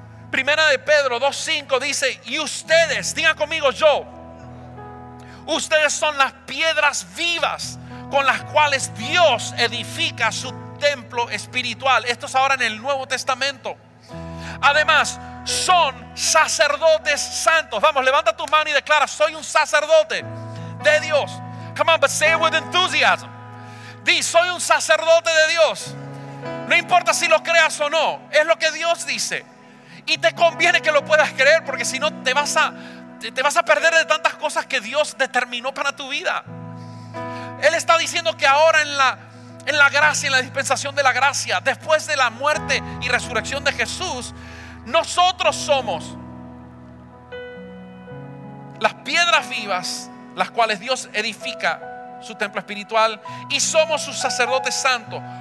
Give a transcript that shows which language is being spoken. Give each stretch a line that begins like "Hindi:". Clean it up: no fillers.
Spanish: Primera de Pedro 2:5 dice: y ustedes, digan conmigo, yo, ustedes son las piedras vivas con las cuales Dios edifica su templo espiritual. Esto es ahora en el Nuevo Testamento. Además, son sacerdotes santos. Vamos, levanta tu mano y declara: soy un sacerdote de Dios.
English: Come on, but say it with enthusiasm.
Spanish: Di: soy un sacerdote de Dios. No importa si lo creas o no, es lo que Dios dice. Y te conviene que lo puedas creer, porque si no te vas a te vas a perder de tantas cosas que Dios determinó para tu vida. Él está diciendo que ahora en la gracia, en la dispensación de la gracia, después de la muerte y resurrección de Jesús, nosotros somos las piedras vivas, las cuales Dios edifica su templo espiritual, y somos sus sacerdotes santos.